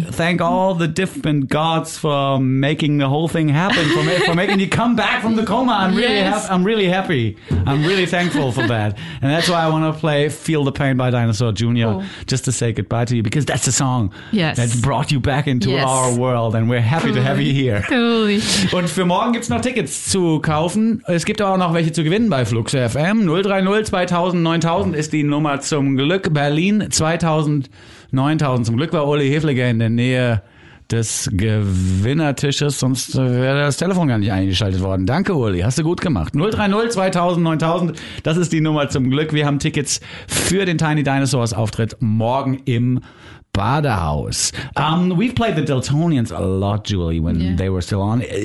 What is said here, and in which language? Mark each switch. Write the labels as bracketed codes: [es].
[en] Thank all the different gods for making the whole thing happen, for making you come back from the coma. I'm really happy. I'm really thankful for that. And that's why I want to play Feel the Pain by Dinosaur Jr. Just to say goodbye to you, because that's the song that brought you back into our world, and we're happy to have you here. Totally. [de] Und für morgen gibt's noch Tickets zu kaufen. Es gibt auch noch welche zu gewinnen bei Flux FM. 030 2000 9000 ist die Nummer zum Glück. Berlin 2000 9000. Zum Glück war Uli Hefliger in der Nähe des Gewinnertisches, sonst wäre das Telefon gar nicht eingeschaltet worden. Danke, Uli, hast du gut gemacht. 030 2000 9000, das ist die Nummer zum Glück. Wir haben Tickets für den Tiny Dinosaurs Auftritt morgen im Badehaus. [en] We've played the Deltonians a lot, Julie, when they were still on.